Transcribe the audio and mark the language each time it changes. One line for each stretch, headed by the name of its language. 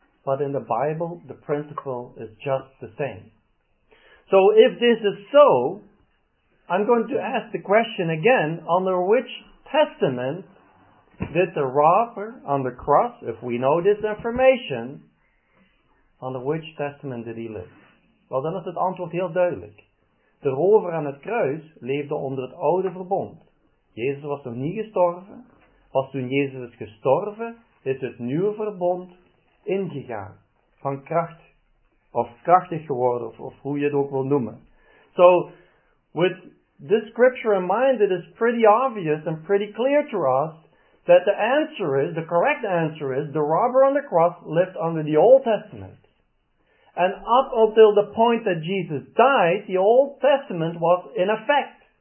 English: But in the Bible, the principle is just the same. So if this is so, I'm going to ask the question again, under which testament that the robber on the cross, if we know this information, on which testament did he live?
Dutch: Wel, dan is het antwoord heel duidelijk. De rover aan het kruis leefde onder het oude verbond. Jezus was nog niet gestorven. Pas toen Jezus is gestorven, is het nieuwe verbond ingegaan. Van kracht, of krachtig geworden, of hoe je het ook wil noemen.
English: So, with this scripture in mind, it is pretty obvious and pretty clear to us that the answer is, the correct answer is, the robber on the cross lived under the Old Testament. And up until the point that Jesus died, the Old Testament was in effect.